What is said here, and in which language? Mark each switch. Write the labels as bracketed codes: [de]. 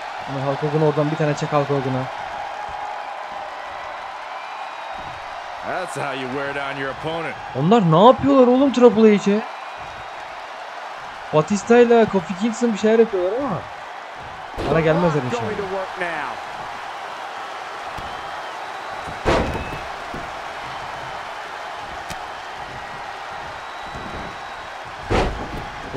[tr] Ama Hulk Hogan'ı oradan bir tane çek Hulk Hogan'a. [en] That's how you wear down your opponent. [tr] Onlar ne yapıyorlar oğlum Triple H'e? Batista ile Kofi Kingston bir şeyler yapıyorlar ama bana gelmezler inşallah.